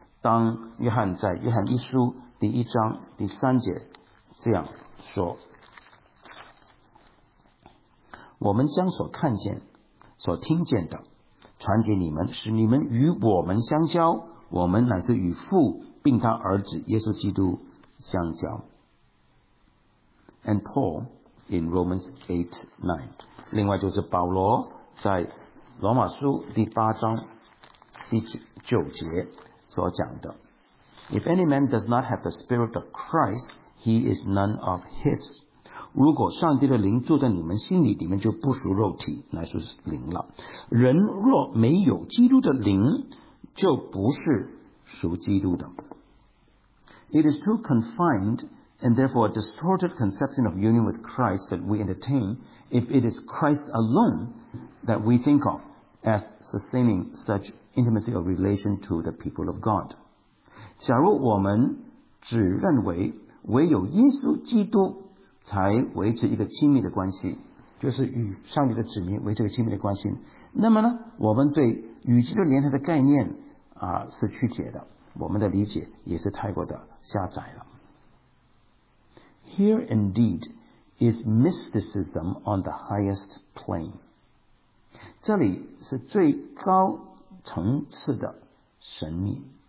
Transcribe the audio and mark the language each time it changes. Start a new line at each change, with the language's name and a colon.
Chinese: 当约翰在约翰一书第一章第三节这样说，我们将所看见所听见的传给你们，使你们与我们相交，我们乃是与父并他儿子耶稣基督相交。
English: And Paul in Romans 8:9，
Chinese: 另外就是保罗在罗马书第八章第九节所讲的，
English: If any man does not have the spirit of Christ, he is none of his.
Chinese: 如果上帝的灵住在你们心里，你们就不属肉体，乃属灵了。人若没有基督的灵，就不是属基督的。
English: It is too confined and therefore a distorted conception of union with Christ that we entertain if it is Christ alone that we think of as sustaining such intimacy or relation to the people of God.
Chinese: 假如我们只认为唯有耶稣基督才维持一个亲密的关系，就是与上帝的子民维持一个亲密的关系，那么呢，我们对与基督联合的概念啊是曲解的，我们的理解也是太过的狭窄了。
English: Here indeed is mysticism on the highest plane.
Chinese: 这里是最高层次的神秘。